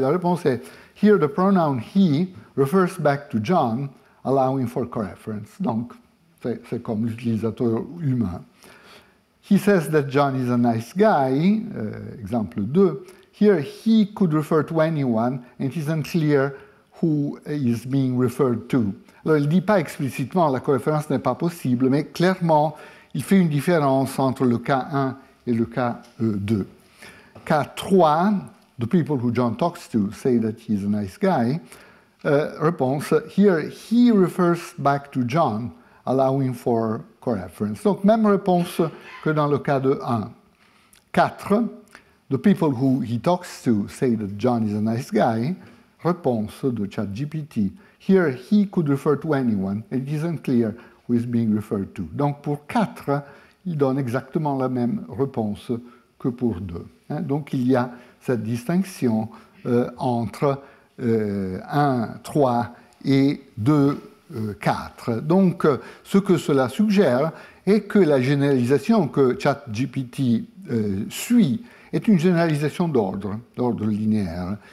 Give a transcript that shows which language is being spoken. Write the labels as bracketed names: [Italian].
[French] La réponse est [English] « Here the pronoun he refers back to John, allowing for co-reference. » [French] Donc, c'est comme l'utilisateur humain. [English] He says that John is a nice guy, exemple 2. Here, he could refer to anyone, and it isn't clear who is being referred to. [French] Alors, il ne dit pas explicitement, la co-référence n'est pas possible, mais clairement, il fait une différence entre le cas 1 et le cas 2. Cas 3, the people who John talks to say that he is a nice guy, réponse, here, he refers back to John, allowing for co-reference. Donc, même réponse que dans le cas de 1. 4. [English] The people who he talks to say that John is a nice guy. [French] Réponse de ChatGPT. [English] Here, he could refer to anyone. It isn't clear who is being referred to. [French] Donc, pour 4, il donne exactement la même réponse que pour 2. Hein? Donc, il y a cette distinction entre 1, 3 et 2, 4. Donc, ce que cela suggère est que la généralisation que ChatGPT suit est une généralisation d'ordre linéaire.